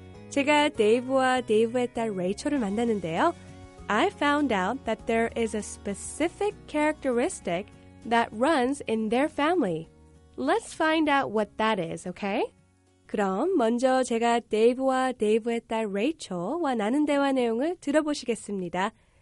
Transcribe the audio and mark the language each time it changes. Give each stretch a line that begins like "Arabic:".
Korean: 제가 데이브와 데이브의 딸 레이첼을 만났는데요.
English: I found out that there is a specific characteristic that runs in their family. Let's find out what that is, okay?
Korean: 그럼 먼저 제가 데이브와 데이브의 딸 레이첼과 나눈 대화 내용을 들어보시겠습니다.